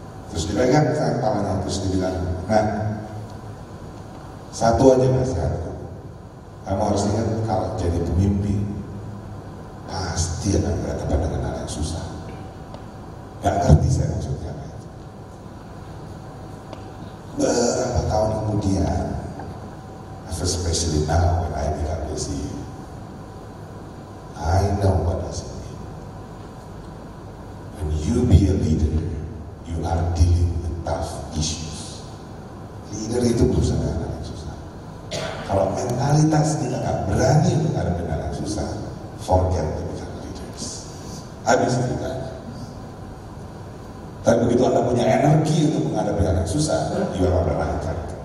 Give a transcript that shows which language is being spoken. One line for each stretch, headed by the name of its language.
Indonesian: Terus dipegang tangan tangannya, terus dibilang, nah, satu aja nasihat. Kamu harus ingat, kalau jadi pemimpin, pasti akan berhadapan dengan hal yang susah. Gak ngerti saya maksudnya apa itu. Berapa tahun kemudian,
English: especially now when I become the CEO, I know what does it mean. When you be a leader, you are dealing with tough issues.
Indonesian: Leader itu berusaha dengan hal yang susah. Kalau mentalitas kita gak berani menghadapi hal yang susah,
English: forget to become leaders.
Indonesian: Habis kita. Tapi begitu Anda punya energi untuk menghadapi hal yang susah,
English: you are a writer.